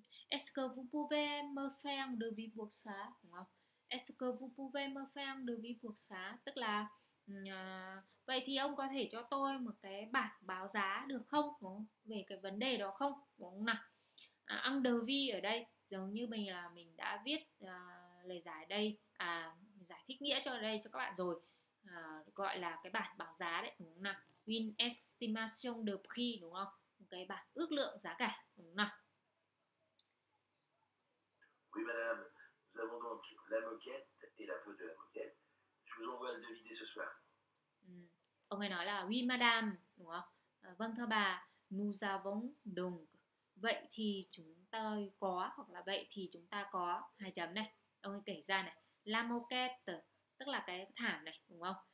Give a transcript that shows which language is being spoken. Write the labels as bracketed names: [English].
[French] Est-ce que vous pouvez me faire un devis pour ça? [Vietnamese] Đúng không? [French] Est-ce que vous pouvez me faire un devis pour ça? [Vietnamese] Tức là vậy thì ông có thể cho tôi một cái bản báo giá được không? Đúng không? Về cái vấn đề đó không? Đúng không nào? Ăn đờ vi ở đây giống như mình là mình đã viết lời giải đây, giải thích nghĩa cho đây cho các bạn rồi, gọi là cái bản báo giá đấy, đúng không nào? [French] Win estimation de prix, [Vietnamese] đúng không? Một cái bản ước lượng giá cả, đúng không nào? [French] Oui madame, nous avons donc la moquette et la peau de la moquette. Je vous envoie le devis dès ce soir. [Vietnamese] Ông ấy nói là [French] oui madame, [Vietnamese] đúng không? Vâng thưa bà, [French] nous avons donc. [Vietnamese] Vậy thì chúng tôi có, hoặc là vậy thì chúng ta có, hai chấm này, ông ấy kể ra này, la moquette, tức là cái thảm này, đúng không?